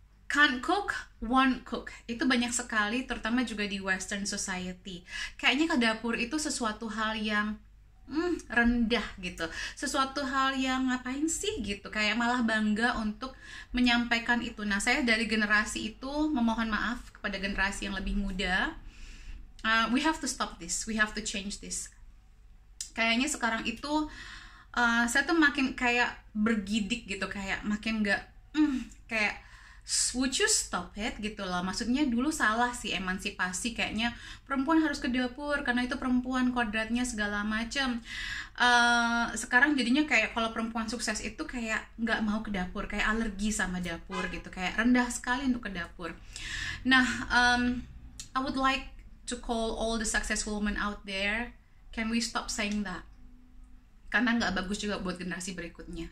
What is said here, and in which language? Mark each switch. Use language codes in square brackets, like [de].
[en] Can't cook, won't cook. [id] Itu banyak sekali, terutama juga di Western society. Kayaknya ke dapur itu sesuatu hal yang rendah gitu, sesuatu hal yang ngapain sih gitu, kayak malah bangga untuk menyampaikan itu. Nah, saya dari generasi itu memohon maaf kepada generasi yang lebih muda. [en] We have to stop this, we have to change this. [id] Kayaknya sekarang itu saya tuh makin kayak bergidik gitu, kayak makin gak kayak [en] would you stop it [id] gitu loh. Maksudnya dulu salah sih emansipasi, kayaknya perempuan harus ke dapur karena itu perempuan, kodratnya segala macem. Sekarang jadinya kayak kalau perempuan sukses itu kayak gak mau ke dapur, kayak alergi sama dapur gitu, kayak rendah sekali untuk ke dapur. [en] Nah, I would like to call all the successful women out there, can we stop saying that? [id] Karena gak bagus juga buat generasi berikutnya.